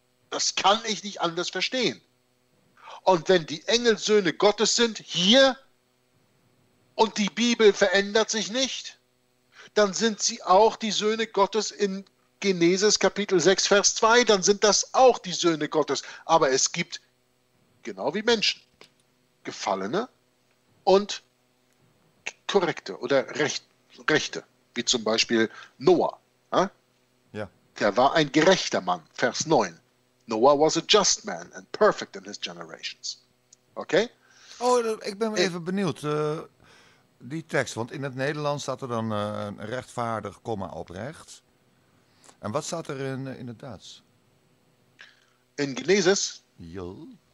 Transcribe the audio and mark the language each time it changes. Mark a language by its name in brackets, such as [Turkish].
[German] Das kann ich nicht anders verstehen. Und wenn die Engel Söhne Gottes sind, hier, und die Bibel verändert sich nicht, dann sind sie auch die Söhne Gottes in Genesis Kapitel 6, Vers 2, dann sind das auch die Söhne Gottes. Aber es gibt, genau wie Menschen, Gefallene und Korrekte oder Rechte, wie zum Beispiel Noah. Ja? Ja. Der war ein gerechter Mann, Vers 9. [English] Noah was a just man and perfect in his generations. [German] Okay? [Dutch] Oh, ik ben even benieuwd. Die tekst, want in het Nederlands staat er dan rechtvaardig, komma oprecht. En wat staat er in het Duits? In Genesis. Jo.